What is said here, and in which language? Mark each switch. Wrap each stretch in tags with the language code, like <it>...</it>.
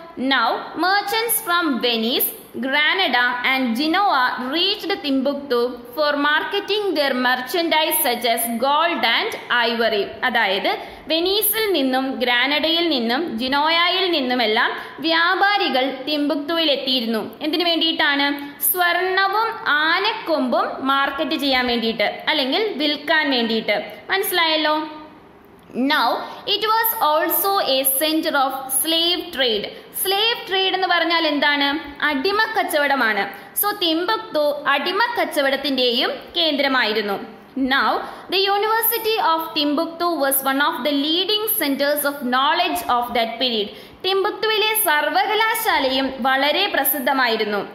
<en>Now merchants from Venice, Granada and Genoa reached Timbuktu for marketing their merchandise such as gold and ivory.</en> <ml>അതായത് വെനീസിൽ നിന്നും ഗ്രാനഡയിൽ നിന്നും ജിനോയയിൽ നിന്നുമെല്ലാം വ്യാപാരികൾ തിംബക്തുവിൽ എത്തിയിരുന്നു. എന്തിനു വേണ്ടിയിട്ടാണ്? സ്വർണവും ആനക്കൊമ്പും മാർക്കറ്റ് ചെയ്യാൻ വേണ്ടിയിട്ട് അല്ലെങ്കിൽ വിൽക്കാൻ വേണ്ടിയിട്ട്. മനസ്സിലായല്ലോ.</ml> <en>Now, it was also a center of slave trade.</en> <ml>Slave trade എന്ന് പറഞ്ഞാൽ എന്താണ്? അടിമ കച്ചവടമാണ്. സോ തിംബക്തു അടിമ കച്ചവടത്തിന്റെയും കേന്ദ്രമായിരുന്നു.</ml> <en>Now the university of Timbuktu was one of the leading centres of knowledge of that period.</en> <ml>തിംബക്തുവിലെ സർവകലാശാലയും വളരെ പ്രസിദ്ധമായിരുന്നു.</ml>